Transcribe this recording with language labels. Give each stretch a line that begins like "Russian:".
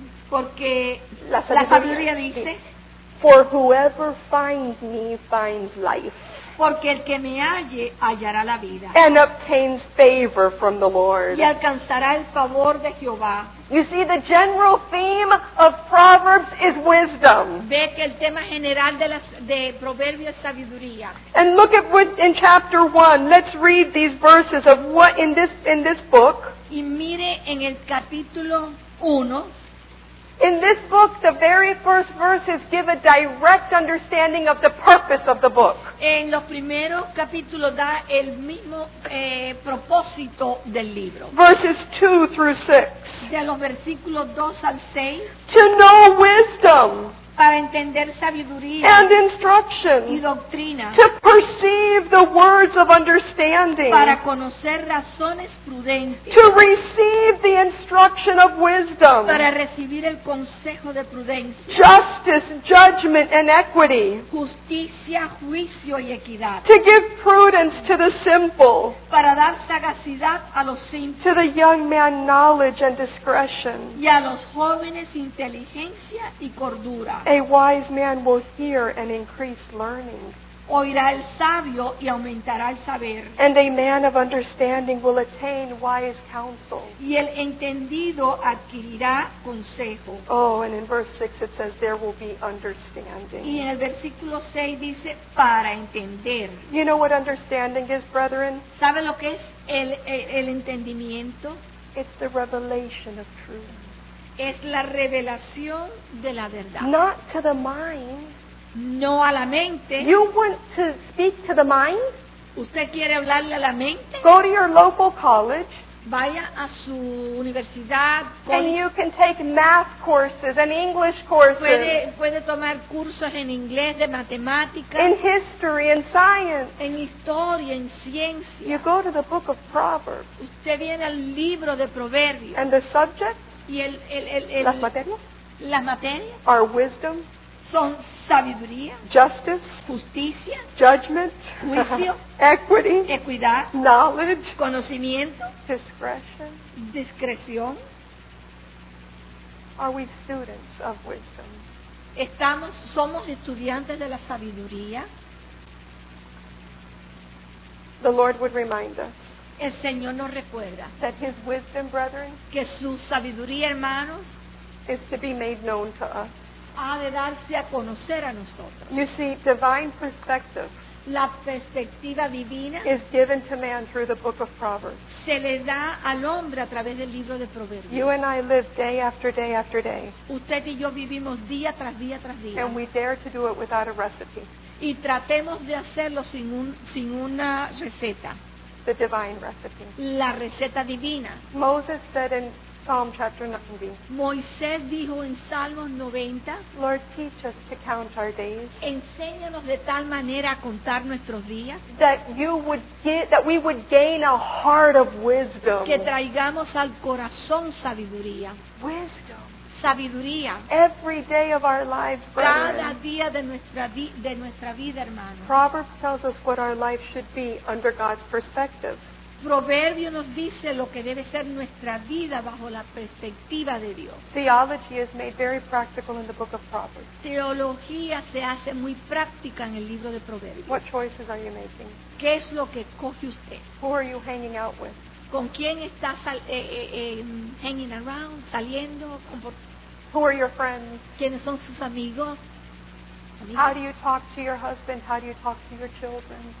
Spanish: Porque la sabiduría dice,
English: for whoever finds me finds life.
Spanish: Porque el que me halle hallará la vida.
English: And obtains favor from the Lord.
Spanish: Y alcanzará el favor de Jehová.
English: You see, the general theme of Proverbs is wisdom.
Spanish: Ve que el tema general de Proverbios es sabiduría.
English: And look at what in chapter 1. Let's read these verses of what in this book.
Spanish: Y mire en el capítulo 1.
English: In this book, the very first verses give a direct understanding of the purpose of the book.
Spanish: En los primeros capítulos da el mismo propósito del libro.
English: Verses 2 through 6.
Spanish: De los versículos 2 al 6.
English: To know wisdom.
Spanish: Para entender sabiduría.
English: And instruction.
Spanish: Y doctrina.
English: To perceive the words of understanding.
Spanish: Para conocer razones prudentes.
English: To receive the instruction of wisdom.
Spanish: Para recibir el consejo de prudencia.
English: Justice, judgment, and equity.
Spanish: Justicia, juicio y equidad.
English: To give prudence to the simple.
Spanish: Para dar sagacidad a los simples.
English: To the young man, knowledge and discretion.
Spanish: Y a los jóvenes, inteligencia y cordura.
English: A wise man will hear and increase learning.
Spanish: Oirá el sabio y aumentará el saber.
English: And a man of understanding will attain wise counsel.
Spanish: Y el entendido adquirirá consejo.
English: Oh, and in verse 6 it says there will be understanding.
Spanish: Y en el versículo 6 dice para entender.
English: You know what understanding is, brethren?
Spanish: ¿Saben lo que es el entendimiento?
English: It's the revelation of truth.
Spanish: Es la revelación de la verdad.
English: Not to the mind.
Spanish: No a la mente.
English: You want to speak to the mind?
Spanish: ¿Usted quiere hablarle a la mente?
English: Go to your local college.
Spanish: vaya a su universidad.
English: And you can take math courses and English courses.
Spanish: Puede tomar cursos en inglés de matemáticas.
English: In history and science.
Spanish: En historia, en ciencia.
English: You go to the book of Proverbs.
Spanish: Usted viene al libro de Proverbios.
English: And the subject?
Spanish: Y el las materias. Las materias.
English: Are wisdom.
Spanish: Son sabiduría,
English: justice,
Spanish: justicia,
English: judgment,
Spanish: juicio,
English: equity,
Spanish: equidad,
English: knowledge,
Spanish: conocimiento,
English: discretion,
Spanish: discreción.
English: Are we students of wisdom?
Spanish: Somos estudiantes de la sabiduría.
English: The Lord would remind us.
Spanish: El Señor nos recuerda.
English: That His wisdom, brethren,
Spanish: que su sabiduría, hermanos,
English: is to be made known to us.
Spanish: Ha de darse a conocer a nosotros.
English: You see, divine perspective,
Spanish: la perspectiva divina,
English: is given to man through the book of Proverbs.
Spanish: Se le da al hombre a través del libro de Proverbios.
English: You and I live day after day after day.
Spanish: Usted y yo vivimos día tras día tras día.
English: And we dare to do it without a recipe.
Spanish: Y tratemos de hacerlo sin una receta.
English: The divine recipe.
Spanish: La receta divina.
English: Moses said in Psalm chapter 90.
Spanish: Moisés dijo en Salmos 90.
English: Lord, teach us to count our days.
Spanish: Enséñanos de tal manera a contar nuestros días.
English: That we would gain a heart of wisdom.
Spanish: Que traigamos al corazón sabiduría.
English: Wisdom.
Spanish: Sabiduría.
English: Every day of our lives, brethren.
Spanish: Cada día de nuestra vida, hermano.
English: Proverbs tells us what our life should be under God's perspective.
Spanish: Proverbio nos dice lo que debe ser nuestra vida bajo la perspectiva de Dios.
English: Theology is made very practical in the book of Proverbs.
Spanish: Teología se hace muy práctica en el libro de Proverbios.
English: What choices are you making?
Spanish: ¿Qué es lo que coge usted?
English: Who are you hanging out with?
Spanish: ¿Con quién está
English: hanging around,
Spanish: saliendo?
English: Who are your friends?
Spanish: ¿Quiénes son sus amigos?
English: How do you talk to your husband? How do you talk to your children?